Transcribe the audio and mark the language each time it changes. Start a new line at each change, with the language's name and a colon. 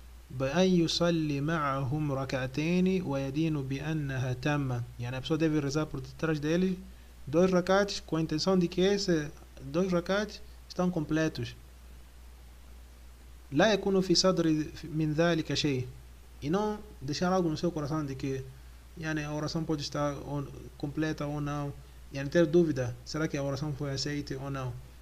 Arabic: بأن يصلي معهم ركعتين ويدين بأنها تامة.
Portuguese: يعني a pessoa deve rezar por detrás dele dois rakats com a intenção de que esses dois rakats estão completos.
Arabic: لا يكون في صدري من ذلك شيء.
Portuguese: E não deixar algo no seu coração de que a oração pode estar completa ou não. Ter dúvida, será que a oração foi aceita ou não?